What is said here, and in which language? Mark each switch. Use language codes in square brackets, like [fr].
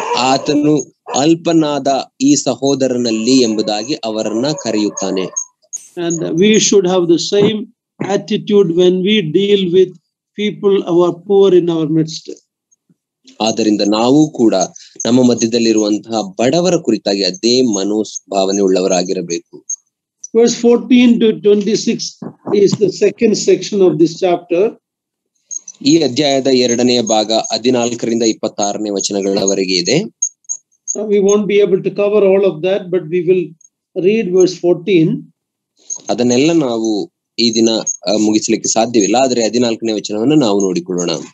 [kn] ಆತನು ಅಲ್ಪನಾದ ಈ ಸಹೋದರನಲ್ಲಿ ಎಂಬುದಾಗಿ ಅವರನ್ನ ಕರೆಯುತ್ತಾನೆ. [en] And we should have the same attitude when we deal with people who are poor in our midst. [kn] ಆದ್ದರಿಂದ ನಾವು ಕೂಡ ನಮ್ಮ ಮಧ್ಯದಲ್ಲಿರುವಂತಹ ಬಡವರ ಕುರಿತಾಗಿ ಅದೇ ಮನೋಭಾವನೆ ಉಳ್ಳವರಾಗಿರಬೇಕು. [en] Verse 14 to 26 is the second section of this chapter. [kn] ಈ ಅಧ್ಯಾಯದ ಎರಡನೆಯ ಭಾಗ 14 26 ವಚನಗಳವರೆಗೆ ಇದೆ. [en] We won't be able to cover all of that, but we will read verse 14. [kn] ಅದನ್ನೆಲ್ಲ ನಾವು ಈ ದಿನ ಮುಗಿಸಲಿಕ್ಕೆ ಸಾಧ್ಯವಿಲ್ಲ, ಆದರೆ 14 ವಚನವನ್ನು ನಾವು ನೋಡಿಕೊಳ್ಳೋಣ.